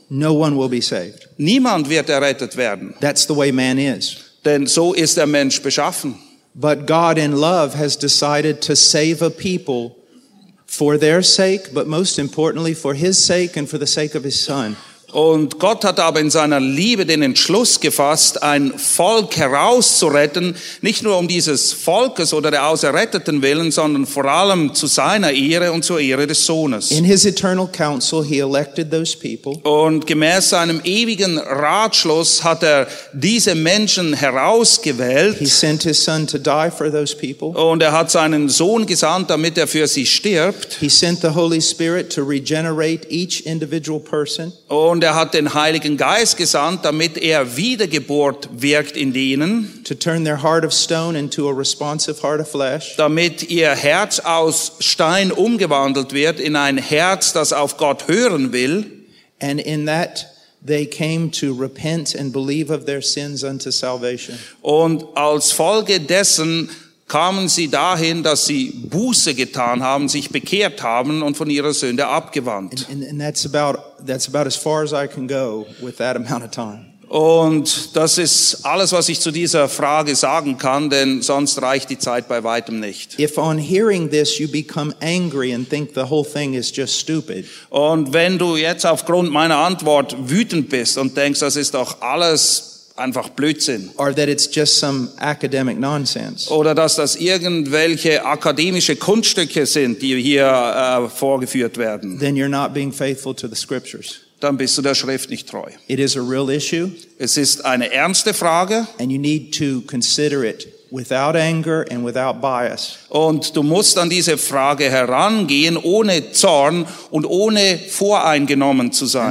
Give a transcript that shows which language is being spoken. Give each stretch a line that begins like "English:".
English: No one will be saved.
German: Niemand wird errettet werden.
English: That's the way man is.
German: Denn so ist der Mensch beschaffen.
English: But God in love has decided to save a people for their sake, but most importantly for his sake and for the sake of his son.
German: Und Gott hat aber in seiner Liebe den Entschluss gefasst, ein Volk herauszuretten, nicht nur um dieses Volkes oder der Auserretteten willen, sondern vor allem zu seiner Ehre und zur Ehre des Sohnes.
English: In his eternal counsel he elected those people.
German: Und gemäß seinem ewigen Ratschluss hat er diese Menschen herausgewählt.
English: He sent his son to die for those people.
German: Und er hat seinen Sohn gesandt, damit er für sie stirbt.
English: He sent the Holy Spirit to regenerate each individual person.
German: Und er hat den Heiligen Geist gesandt, damit er Wiedergeburt wirkt in denen.
English: To turn their heart of stone into a responsive heart of flesh.
German: Damit ihr Herz aus Stein umgewandelt wird in ein Herz, das auf Gott hören will.
English: And in that they came to repent and believe of their sins unto salvation.
German: Und als Folge dessen kamen sie dahin, dass sie Buße getan haben, sich bekehrt haben und von ihrer Sünde abgewandt.
English: And that's about as far as I can go with that amount of time.
German: Und das ist alles, was ich zu dieser Frage sagen kann, denn sonst reicht die Zeit bei weitem nicht.
English: If on hearing this you become angry and think the whole thing is just stupid.
German: Und wenn du jetzt aufgrund meiner Antwort wütend bist und denkst, das ist doch alles einfach Blödsinn.
English: Or that it's just some academic nonsense.
German: Oder dass das irgendwelche akademische Kunststücke sind, die hier vorgeführt werden.
English: Then you're not being faithful to the scriptures.
German: Dann bist du der Schrift nicht treu.
English: It is a real issue.
German: Es ist eine ernste Frage.
English: And you need to consider it without anger and without bias.
German: Und du musst an diese Frage herangehen, ohne Zorn und ohne voreingenommen zu sein.